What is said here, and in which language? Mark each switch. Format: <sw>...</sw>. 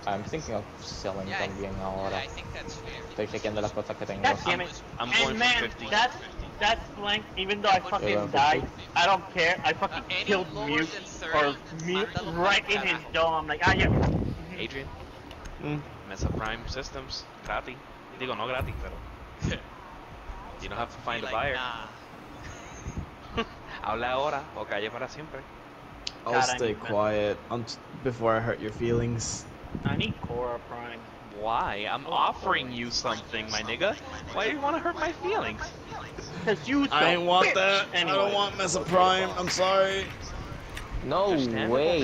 <en>Yeah, I'm thinking of selling</en> <es>también ahora.</es> <en>Yeah, I think that's fair.</en> <es>Estoy chequeando las cosas que tengo.</es> <en>God damn it. I'm going man, for 50. That blank, even though I fucking died, I don't care. I fucking killed Mute, or Mute right in his dome. I'm like, ah, yeah. Adrian? Mm.</en> <es>Mesa Prime Systems, gratis. Digo, no gratis, pero.</es> <en>You don't have to find like, a buyer. Nah.</en> <es>Habla ahora, o calle para siempre.</es> <en>I'll God, stay quiet before I hurt your feelings. I need Cora Prime. Why? I'm offering you something, my nigga. Why do you want to hurt my feelings? Cause you I don't want bitch. That. Anyway. I don't want Mesa Prime. I'm sorry. No way.</en>